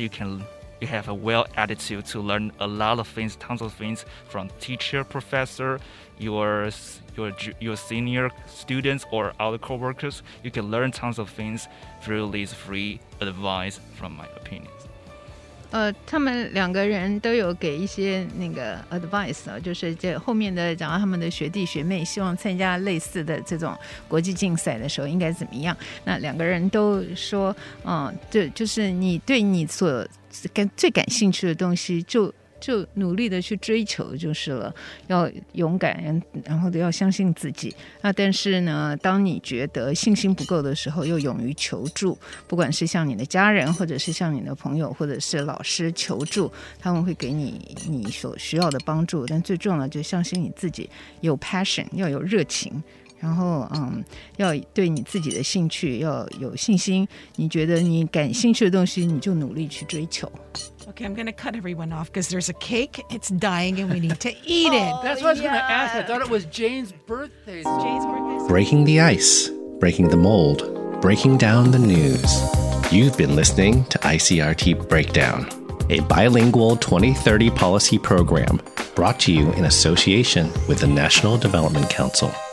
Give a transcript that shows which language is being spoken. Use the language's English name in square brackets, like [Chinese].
[English] You have a well attitude to learn a lot of things, tons of things from teacher, professor, your senior students or other co-workers. You can learn tons of things through these free advice from my opinions. [Chinese] 他们两个人都有给一些那个 advice、啊、就是这后面的讲到他们的学弟学妹希望参加类似的这种国际竞赛的时候应该怎么样，那两个人都说、就是你对你所最感兴趣的东西就努力的去追求就是了，要勇敢，然后都要相信自己。那但是呢，当你觉得信心不够的时候，又勇于求助，不管是向你的家人，或者是向你的朋友，或者是老师求助，他们会给你所需要的帮助。但最重要的就是相信你自己，有 passion， 要有热情，然后要对你自己的兴趣要有信心。你觉得你感兴趣的东西，你就努力去追求。 [English] Okay, I'm going to cut everyone off because there's a cake. It's dying and we need to eat it. Oh, that's what I was、yeah. going to ask. I thought it was Jane's birthday. Jane's birthday. Breaking the ice, breaking the mold, breaking down the news. You've been listening to ICRT Breakdown, a bilingual 2030 policy program brought to you in association with the National Development Council.